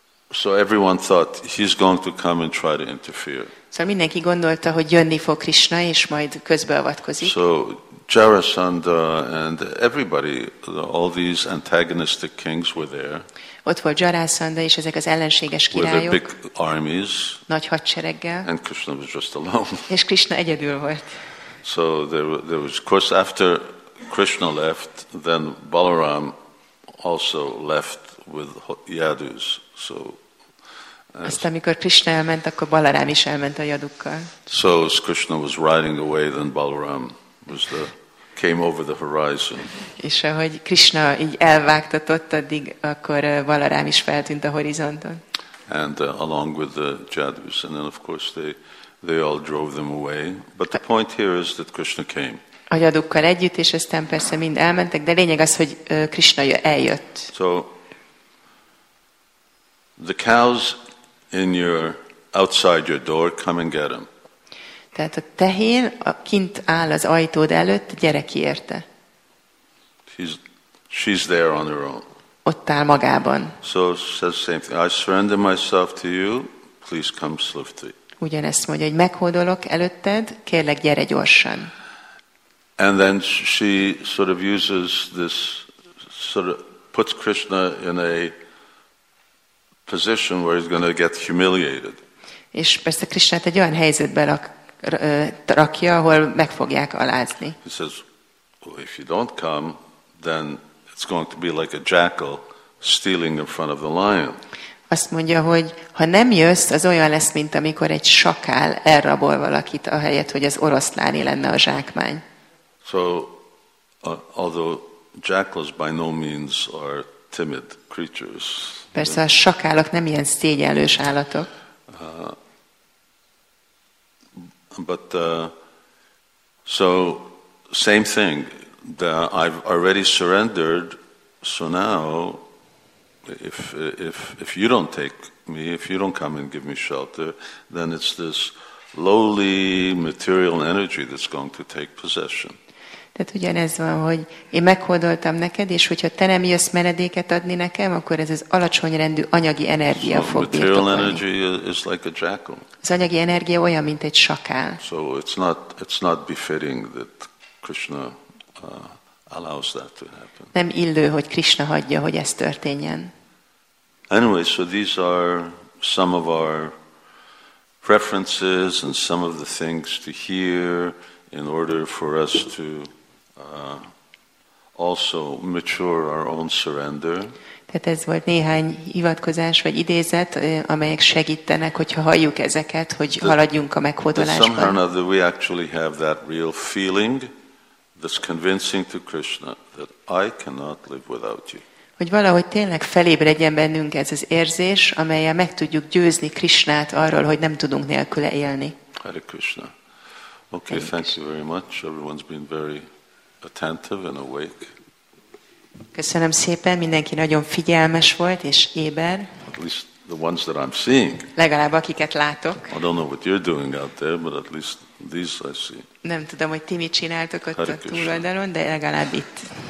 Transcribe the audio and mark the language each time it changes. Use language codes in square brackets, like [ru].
[en] So everyone thought he's going to come and try to interfere. [hu] Szóval mindenki gondolta, hogy jönni fog Krishna és majd közbeavatkozik. [en] So Jarasandha and everybody, all these antagonistic kings were there. [hu] Ott volt Jarasandha és ezek az ellenséges királyok. [en] With big armies. [hu] Nagy hadsereggel. [en] And Krishna was just alone. [hu] És Krishna egyedül volt. [en] So there was, of course, after Krishna left, then Balaram also left with Yadus. So. [hu] Azt, amikor Krishna elment, akkor Balaram is elment a Yadukkal. [en] So as Krishna was riding away, then Balaram came over the horizon. [hu] És ahogy Krishna így elvágtatott, addig akkor Balaram is feltűnt a horizonton. [en] And along with the Jadus, and then of course they all drove them away. But the point here is that Krishna came. [hu] A Jadukkal együtt, és aztán persze mind elmentek, de lényeg az, hogy Krishna eljött. [en] So the cows in your outside your door, come and get them. [hu] Tehát a tehén a kint áll az ajtód előtt, gyere ki érte. [en] She's there on her own. Ott áll magában. So says the same thing. I surrender myself to you. Please come swiftly. [hu] Ugyanezt mondja, hogy meghódolok előtted, kérlek gyere gyorsan. [en] And then she sort of uses this, sort of puts Krishna in a position where he's going to get humiliated. [hu] És persze Krishnát egy olyan helyzetbe rakja, ahol meg fogják alázni. [en] He says, well, if you don't come, then it's going to be like a jackal stealing in front of the lion. [hu] Azt mondja, hogy ha nem jössz, az olyan lesz, mint amikor egy sakál elrabol valakit a helyet, hogy az oroszláné lenne a zsákmány. [en] So, although jackals by no means are timid creatures. [hu] Persze a sakálok nem ilyen szégyenlős állatok. [en] But same thing. I've already surrendered. So now, if you don't take me, if you don't come and give me shelter, then it's this lowly material energy that's going to take possession. [hu] Tehát ugyanez van, hogy én meghódoltam neked, és hogyha te nem jössz menedéket adni nekem, akkor ez az alacsony rendű anyagi energia fog birtokolni. [en] Material energy is like a jackal. [hu] Az anyagi energia olyan, mint egy sakál. [en] So it's not befitting that Krishna allows that to happen. [hu] Nem illő, hogy Krishna hagyja, hogy ez történjen. [en] Anyway, so these are some of our preferences and some of the things to hear in order for us to also mature our own surrender. [hu] Tehát ez volt néhány hivatkozás vagy idézet, amelyek segítenek, hogyha halljuk ezeket, hogy haladjunk a meghódolásban. [en] Somehow or another we actually have that real feeling that's convincing to Krishna that I cannot live without you. [hu] Hogy valahogy tényleg felébredjen bennünk ez az érzés, amelyel meg tudjuk győzni Krishnát arról, hogy nem tudunk nélküle élni. [en] Hare Krishna. Okay, thank you very much. Everyone's been very attentive and awake. [hu] Köszönöm szépen, mindenki nagyon figyelmes volt és éber. [en] At least the ones that I'm seeing. [hu] Legalább akiket látok. [en] I don't know what you're doing out there, but at least these I see. [hu] Nem tudom, hogy ti mit csináltok ott a túloldalon, de legalább itt.